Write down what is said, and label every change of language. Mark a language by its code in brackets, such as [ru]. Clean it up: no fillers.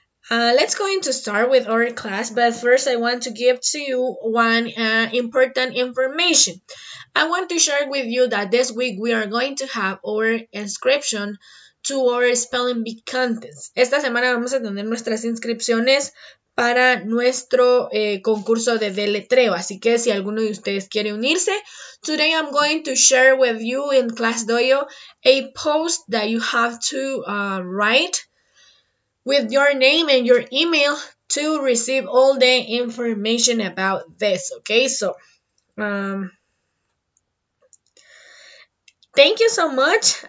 [en] let's go into start with our class. But first, I want to give to you one important information. I want to share with you that this week we are going to have our inscription to our spelling bee contest. [es] Esta semana vamos a tener nuestras inscripciones para nuestro concurso de deletreo. Así que si alguno de ustedes quiere unirse, [en] today I'm going to share with you in class Doyo a post that you have to write with your name and your email to receive all the information about this. Okay, so thank you so much.